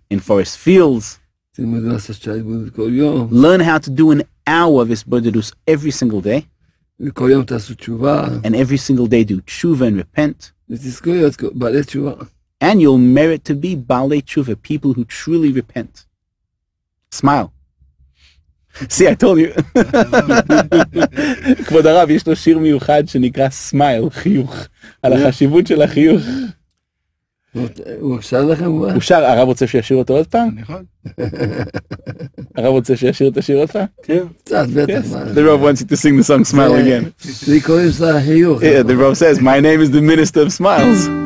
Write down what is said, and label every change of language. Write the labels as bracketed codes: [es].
[en] In forest fields. Learn how to do an hour of Isbodidus every single day. And every single day do tshuva and repent. And you'll merit to be balei tshuva, people who truly repent. Smile. See, I told you. [he] כבוד הרב, יש לו שיר מיוחד שנקרא סמייל, חיוך, על החשיבות של החיוך. הוא שר לכם? הוא שר, הרב רוצה שישיר אותו עוד פעם? נכון. הרב רוצה שישיר את השיר עוד פעם? כן, קצת, בטח. [en] The Rav wants you to sing the song Smile again. [he] זה קוראים של החיוך. [en] Yeah, the Rav says, my name is the minister of smiles.